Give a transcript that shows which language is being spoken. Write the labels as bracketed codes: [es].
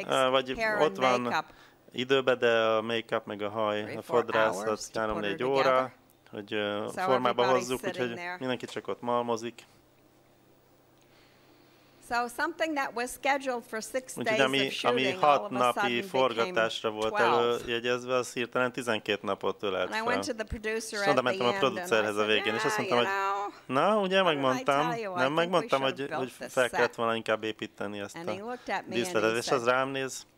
[hu] Vagy ott van időbe, de a make-up meg a haj, a fodrász, az 3-4 óra, hogy formába hozzuk, úgyhogy mindenki csak ott malmozik. [en] So something that was scheduled for 6 days of shooting all of a sudden became 12. [hu] Előjegyezve, az hirtelen 12 napot ölelt fel. [en] And I went to the producer at the end and I said, yeah, you know, what did I tell you? [hu] Na, ugye megmondtam, nem megmondtam, hogy fel kellett volna inkább építeni ezt a díszletet, és az rám néz.